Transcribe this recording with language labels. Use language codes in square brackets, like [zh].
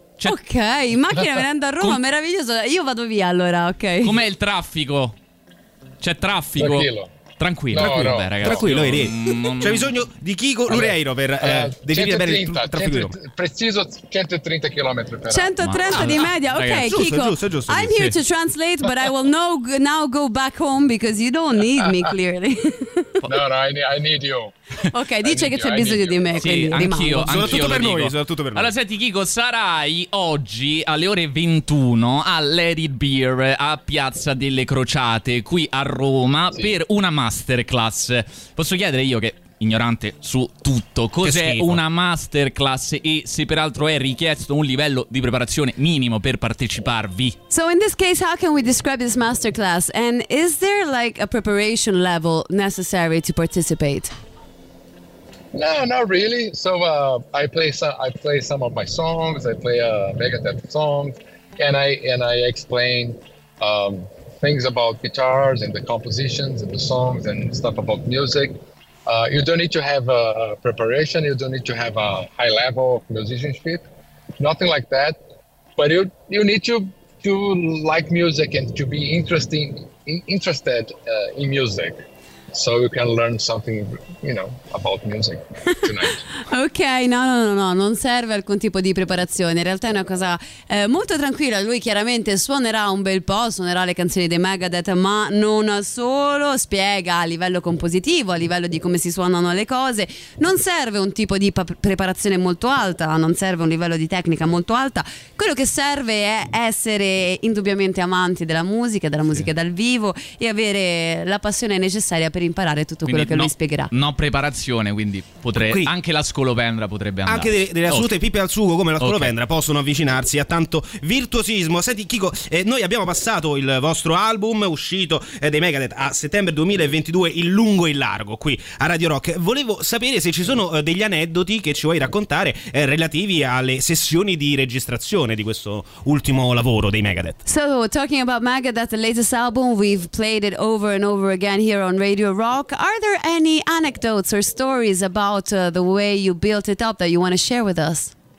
[it] Cioè, ok, in macchina venendo a Roma, meraviglioso. Io vado via allora, ok. Com'è il traffico? C'è traffico? Tranquillo. Tranquillo. Vabbè, ragazzi. C'è bisogno di Chico Lureiro per definire bene il traffico. Preciso 130 km per ora. 130 di media, ok, ragazzi. Chico. Giusto. [en] I'm here to translate, but I will now go back home because you don't need me, clearly. No, I need you. [it] Ok, dice che c'è bisogno di me, sì, quindi anch'io, di anch'io soprattutto per noi. Allora senti Chico, sarai oggi alle ore 21 a Let It Beer a Piazza delle Crociate qui a Roma, sì, per una masterclass. Posso chiedere io, che ignorante su tutto, cos'è una masterclass e se peraltro è richiesto un livello di preparazione minimo per parteciparvi? [en] So in this case, how can we describe this masterclass, and is there like a preparation level necessary to participate? No, not really. So I play some of my songs. I play a Megadeth song, and I explain things about guitars and the compositions and the songs and stuff about music. You don't need to have a preparation. You don't need to have a high level of musicianship, nothing like that. But you need to like music and to be interested in music. So you can learn something, you know, about music tonight. [it] Ok, no, non serve alcun tipo di preparazione. In realtà è una cosa molto tranquilla. Lui chiaramente suonerà un bel po', suonerà le canzoni dei Megadeth, ma non solo, spiega a livello compositivo, a livello di come si suonano le cose. Non serve un tipo di preparazione molto alta, non serve un livello di tecnica molto alta. Quello che serve è essere indubbiamente amanti della musica dal vivo e avere la passione necessaria per imparare tutto quindi quello che lui spiegherà. No preparazione, quindi anche la scolopendra potrebbe andare. Anche delle assolute pippe al sugo come la scolopendra possono avvicinarsi a tanto virtuosismo. Senti Chico, noi abbiamo passato il vostro album uscito dei Megadeth a settembre 2022 in lungo e in largo qui a Radio Rock. Volevo sapere se ci sono degli aneddoti che ci vuoi raccontare relativi alle sessioni di registrazione di questo ultimo lavoro dei Megadeth. [en] So, talking about Megadeth, the latest album, we've played it over and over again here on Radio Rock. Are there any anecdotes or stories about the way you built it up that you want to share with us?